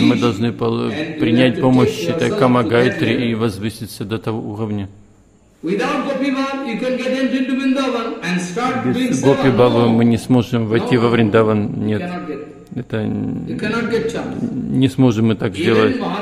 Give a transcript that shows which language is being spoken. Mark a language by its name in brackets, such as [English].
[Russian] Мы должны принять помощь этой Камагайтри и возвыситься до того уровня. [English] Without Gopi Bhav, you can get into Vrindavan and start doing [Russian] seva. Без Гопи Бхавы мы не сможем войти во Вриндаван. Нет, это не сможем мы так сделать.